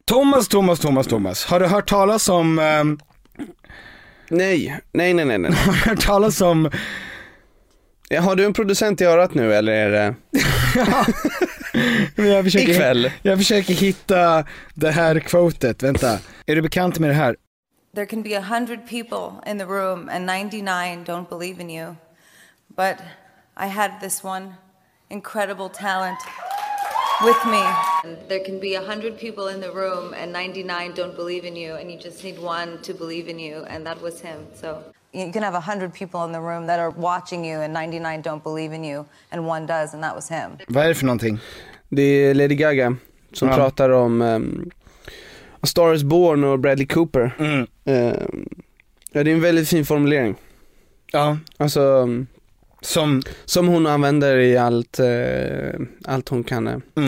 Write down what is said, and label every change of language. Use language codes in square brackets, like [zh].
[sv] Thomas. Har du hört talas om... Nej. Har du hört talas om... Ja, har du en producent i örat nu, eller är det... Ja. Jag försöker, ikväll. Jag försöker hitta det här quotet. Vänta. Är du bekant med det här? [en] There can be 100 people in the room and 99 don't believe in you. But I had this one incredible talent with me. There can be 100 people in the room and 99 don't believe in you, and you just need one to believe in you, and that was him. So you can have 100 people in the room that are watching you and 99 don't believe in you, and one does, and that was him. [sv] Vad är det för någonting? Det är Lady Gaga som pratar om A Star Is Born och Bradley Cooper. Ja, det är en väldigt fin formulering. Ja. Alltså som hon använder i allt allt hon kan.